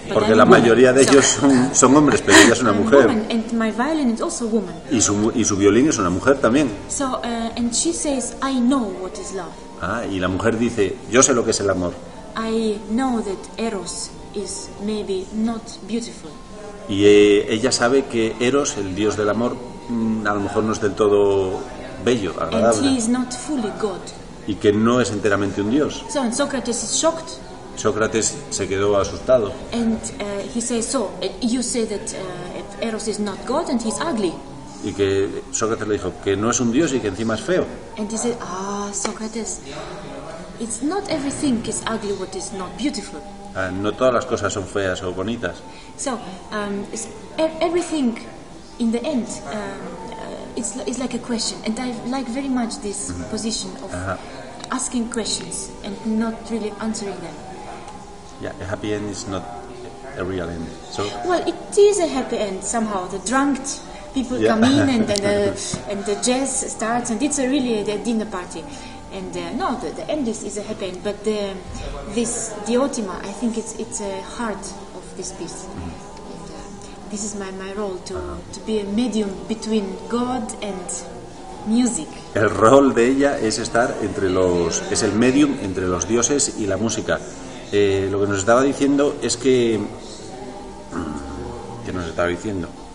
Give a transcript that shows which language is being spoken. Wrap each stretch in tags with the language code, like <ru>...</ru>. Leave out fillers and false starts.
<es>Porque la mayoría de ellos son hombres, pero ella es una mujer.</es> <en>And my violin is also woman.</en> <es>Y su violín es una mujer también.</es> <en>So and she says, I know what is love.</en> <es>Ah, y la mujer dice, yo sé lo que es el amor.</es> <en>I know that Eros is maybe not beautiful.</en> <es>Y ella sabe que Eros, el dios del amor, a lo mejor no es del todo bello, agradable.</es> <en>And he is not fully God.</en> <es>Y que no es enteramente un dios.</es> <en>So, and Socrates is shocked.</en> <es>Sócrates se quedó asustado.</es> <en>And he says, so you say that Eros is not God and he's ugly.</en> <es>Y que Sócrates le dijo que no es un dios y que encima es feo.</es> <en>And he said, Socrates, it's not everything is ugly what is not beautiful.</en> <es>No todas las cosas son feas o bonitas.</es> <en>So everything in the end. It's like a question, and I like very much this position of asking questions and not really answering them. Yeah, a happy end is not a real end. So well, it is a happy end somehow. The drunk people come in, and the jazz starts, and it's a really a dinner party. And the end is a happy end, but this Diotima, I think it's a heart of this piece. Mm. This is my role to be a medium between God and music.</en> <es>El rol de ella es estar entre los, es el medium entre los dioses y la música. Lo que nos estaba diciendo es que, ¿qué nos estaba diciendo?</es>